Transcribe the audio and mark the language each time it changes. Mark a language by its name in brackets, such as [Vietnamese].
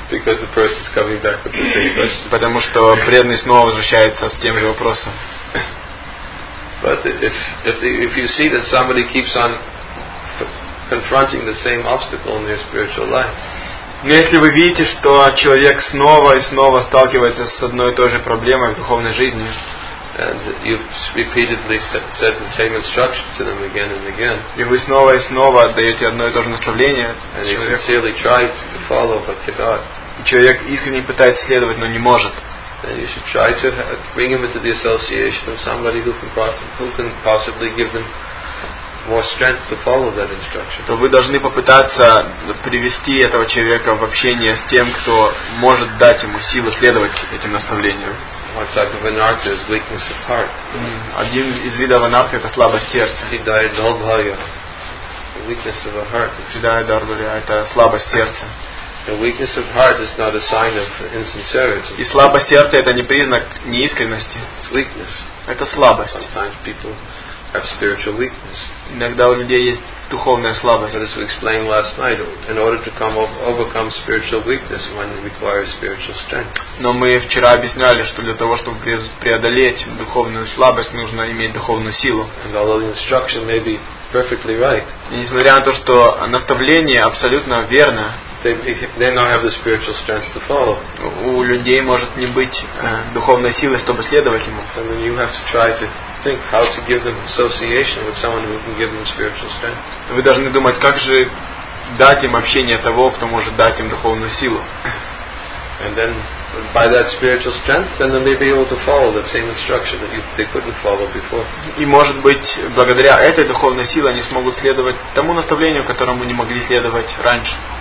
[English] Because the person's coming back with the same question. [Russian] Потому что преданный снова возвращается с тем же вопросом. [English] But if you see that somebody keeps on confronting the same obstacle in their spiritual life. [Russian] Но если вы видите, что человек снова и снова сталкивается с одной и той же проблемой в духовной жизни. [English] And you've repeatedly said the same instruction to them again and again. [Russian] И вы снова и снова даете одно и то же наставление. [English] And you sincerely try to follow, but cannot. [Russian] И человек искренне пытается следовать, но не может. [English] Then you should try to bring him into the association of somebody who can possibly give them more strength to follow that instruction. [Russian] То вы должны попытаться привести этого человека в общение с тем, кто может дать ему силы следовать этим наставлениям. [English] One type of anartha is weakness of heart. [Russian] Один из видов анартхи это слабость сердца. [Sanskrit] Хидая дарбхая, [English] weakness of the heart. [Russian] Хидая дарбхая это слабость сердца. [English] The weakness of heart is not a sign of insincerity. [Russian] И слабость сердца это не признак неискренности. [English] It's weakness. [Russian] Это слабость. [English] Sometimes people have spiritual weakness. [Russian] Иногда у людей есть духовная слабость. [English] But as we explained last night, in order to overcome spiritual weakness, one requires spiritual strength. [Russian] Но мы вчера объясняли, что для того, чтобы преодолеть духовную слабость, нужно иметь духовную силу. [English] And although the instruction may be perfectly right, [Russian] и несмотря на то, что наставление абсолютно верно, [English] they not have the spiritual strength to follow. [Russian] У людей может не быть духовной силы, чтобы следовать ему. [English] So then you have to try to think how to give them association with someone who can give them spiritual strength. [Russian] Вы должны думать, как же дать им общение того, кто может дать им духовную силу. [English] And then by that spiritual strength, then they may be able to follow that same instruction that they couldn't follow before. [Russian] И может быть, благодаря этой духовной силе они смогут следовать тому наставлению, которому не могли следовать раньше.